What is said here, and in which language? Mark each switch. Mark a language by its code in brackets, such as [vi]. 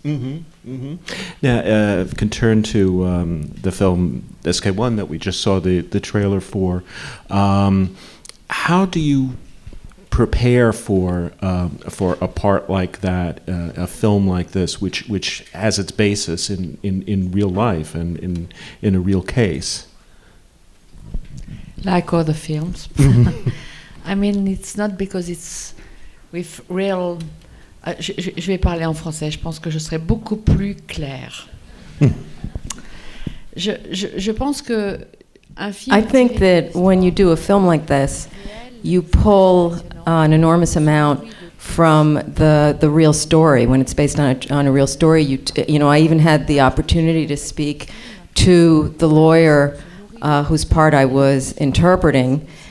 [en] Now if you can turn to the film SK1 that we just saw the trailer for, how do you prepare for a part like that, a film like this, which has its basis in real life and in a real case? Like all the films. I mean, it's not because it's with real... [fr] je vais parler en français, je pense que je serai beaucoup plus claire. je pense que un film... [en] I think that when you do a film like this, you pull an enormous amount from the real story. When it's based on a real story, you know, I even had the opportunity to speak to the lawyer whose part I was interpreting.